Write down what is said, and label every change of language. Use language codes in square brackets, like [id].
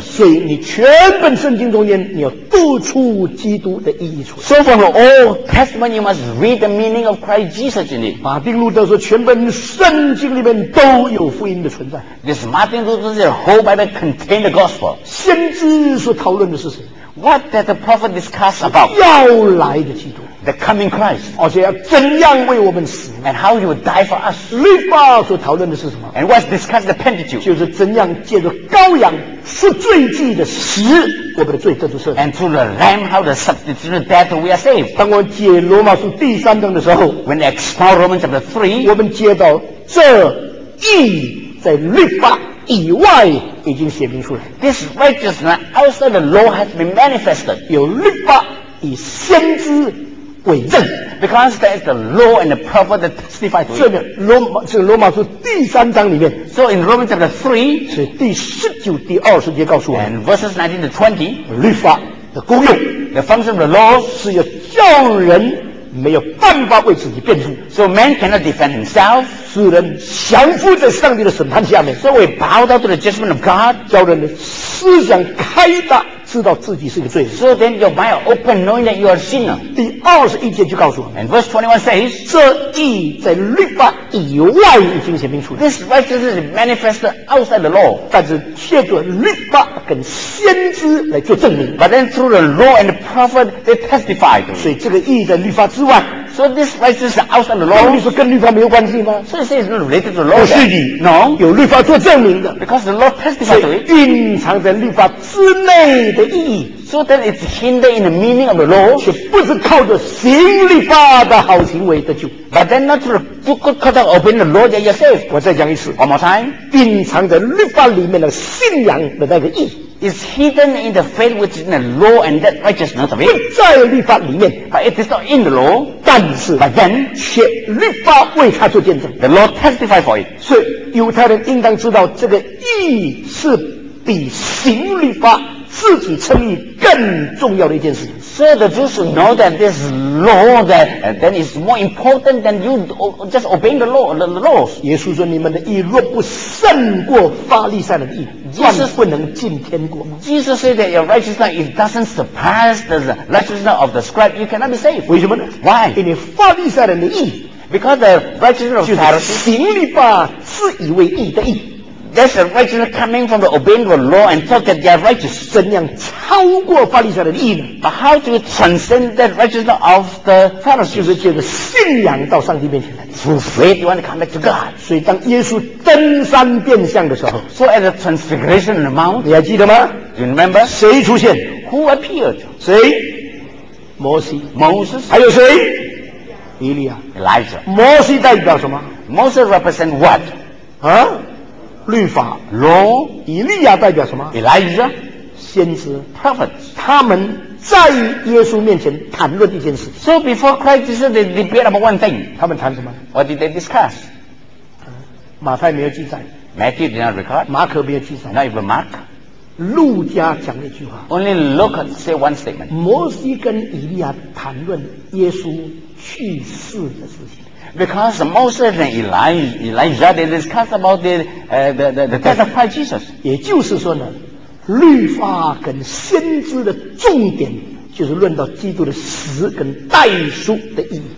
[zh] 所以你全本圣经中间，你要读出基督的意义出来。 [en] So from the Old Testament, you must read the meaning of Christ Jesus in it. [zh] 马丁路德说，全本圣经里面都有福音的存在。 [en] This Martin Luther said, whole Bible contains the gospel. [zh] 先知所讨论的是谁？ [en] What did the prophet discuss about? [zh] 要来的基督。 [en] The coming Christ. [zh] 而且要怎样为我们死。 [en] And how he would die for us. [zh] 律法所讨论的是什么？ [en] And what's discussed the Pentateuch? [zh] 就是怎样借着羔羊赎罪祭的死，我们的罪得到赦免。 [en] And through the lamb, how the substitute death we are saved. [zh] 当我们解罗马书第三章的时候， [en] When they explore Romans chapter 3, [zh] 我们接到这义在律法以外已经显明出来。 [en] This righteousness outside the law has been manifested. [zh] 有律法以先知为证。 [en] Because there is the law and the prophet that testify to it. [zh] 这边罗马书第三章里面。 [en] So in Romans chapter 3, [zh] 是第十九第二十节告诉我们。 [en] And verses 19 to 20, [zh] 律法的功用。 [en] The function of the law [zh] 是要叫人没有办法为自己辩护。 [en] So man cannot defend himself. [zh] 使人降服在上帝的审判下面。 [en] So we bow down to the judgment of God. [zh] 叫人的思想开达，知道自己是个罪人。 [en] So then your mind open, knowing that you are a sinner. [zh] 第二十一节就告诉我们。 [en] And verse 21 says, [zh] 这义在律法以外已经显明出来。 [en] This righteousness is manifested outside the law. [zh] 但是借着律法跟先知来做证明。 [en] But then through the law and the prophet, they testify to it. [zh] 所以这个义在律法之外。 [en] So this righteousness is outside the law. [zh] 你说跟律法没有关系吗？ [en] So it says it's not related to the law. [zh] 不是的。 [en] No. [zh] 有律法做证明的。 [en] Because the law testifies to it. [zh] 蕴藏在律法之内的意义。 [en] So then it's hindered in the meaning of the law. [zh] 却不是靠着行律法的好行为得救。 [en] But then not through the good conduct of obeying the law that you're saved. [zh] 我再讲一次。 [en] One more time. [zh] 蕴藏在律法里面的信仰的那个意义。 [en] Is hidden in the faith which is in the law and that righteousness of it. [zh] 不在律法里面。 [en] But it is not in the law. [zh] 但是 [en] But then, [zh] 却律法为他做见证。 [en] The law testifies for it. [zh] 所以犹太人应当知道这个义是比行律法自己称义更重要的一件事情。 [en] So the Jews should know that this law that then is more important than you just obeying the law, the laws. [zh] 耶稣说你们的义若不胜过法利赛人的义，断不能进天国。 [en] Jesus said that your righteousness if doesn't surpass the righteousness of the scribe, you cannot be saved. [zh] 为什么呢？ [en] Why? [zh] 因为法利赛人的义， [en] because the righteousness of Pharisees, [zh] 就是行律法自以为义的义。 [en] That's the righteousness coming from the obeying the law and thought that they are righteous. [zh] 怎样超过法利赛人的义呢？ [en] But how to transcend that righteousness of the Pharisees? [zh] 就是借着信仰到上帝面前来。 [en] Through faith, you want to come back to God. [zh] 所以当耶稣登山变相的时候， [en] So at the transfiguration of the mount, [zh] 你还记得吗？ [en] Do you remember? [zh] 谁出现？ [en] Who appeared? [zh] 谁？摩西。 Moses. 还有谁？以利亚。 [en] Elijah. [zh] 摩西代表什么？ [en] Moses represents what? [zh] 啊？律法 [en] law， [zh] 以利亚代表什么？ [en] Elijah， [zh] 先知 [en] prophet， [zh] 他们在耶稣面前谈论一件事。 [en] So before Christ Jesus, they debate about one thing. [zh] 他们谈什么？ [en] What did they discuss？ [zh] 马太没有记载。 [en] Matthew did not record。 [zh] 马可没有记载。 [en] Not even Mark。 [zh] 路加讲了一句话。 [en] Only Luke said one statement。 [zh] 摩西跟以利亚谈论耶稣去世的事情。 [en] Because Moses and Elijah, they discuss about the death of Christ Jesus. [zh] 也就是说呢，律法跟先知的重点就是论到基督的死跟代赎的意义。